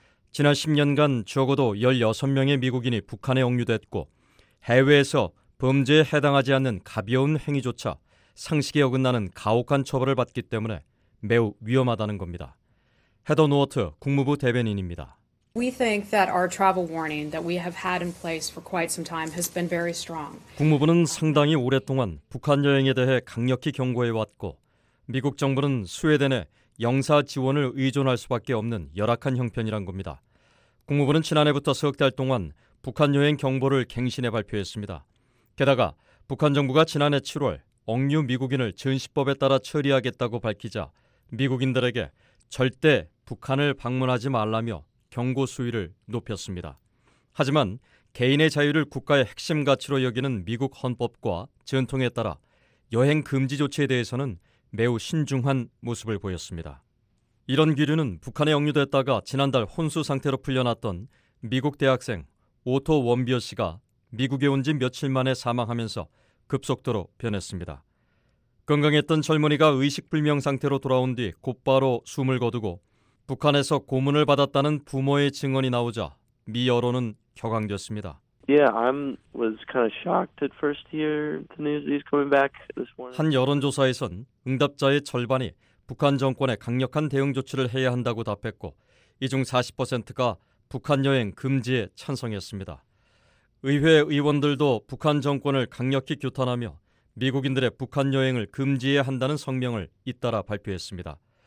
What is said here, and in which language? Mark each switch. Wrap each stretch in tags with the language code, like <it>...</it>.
<ko>지난 10년간 적어도 16명의 미국인이 북한에 억류됐고 해외에서 범죄에 해당하지 않는 가벼운 행위조차 상식에 어긋나는 가혹한 처벌을 받기 때문에 매우 위험하다는 겁니다. 헤더 노어트 국무부 대변인입니다.</ko> <en>We think that our travel warning that we have had in place for quite some time has been very strong.</en> <ko>국무부는 상당히 오랫동안 북한 여행에 대해 강력히 경고해 왔고 미국 정부는 스웨덴에 영사 지원을 의존할 수밖에 없는 열악한 형편이란 겁니다. 국무부는 지난해부터 석 달 동안 북한 여행 경보를 갱신해 발표했습니다. 게다가 북한 정부가 지난해 7월 억류 미국인을 전시법에 따라 처리하겠다고 밝히자 미국인들에게 절대 북한을 방문하지 말라며 경고 수위를 높였습니다. 하지만 개인의 자유를 국가의 핵심 가치로 여기는 미국 헌법과 전통에 따라 여행 금지 조치에 대해서는 매우 신중한 모습을 보였습니다. 이런 기류는 북한에 억류됐다가 지난달 혼수 상태로 풀려났던 미국 대학생 오토 원비어 씨가 미국에 온 지 며칠 만에 사망하면서 급속도로 변했습니다. 건강했던 젊은이가 의식불명 상태로 돌아온 뒤 곧바로 숨을 거두고 북한에서 고문을 받았다는 부모의 증언이 나오자 미 여론은 격앙됐습니다.</ko> <en>Yeah, I was kind of shocked at first to hear the news he's coming back this morning.</en> <ko>한 여론조사에선 응답자의 절반이 북한 정권에 강력한 대응 조치를 해야 한다고 답했고 이 중 40%가 북한 여행 금지에 찬성했습니다. 의회 의원들도 북한 정권을 강력히 규탄하며 미국인들의 북한 여행을 금지해야 한다는 성명을 잇따라 발표했습니다.</ko>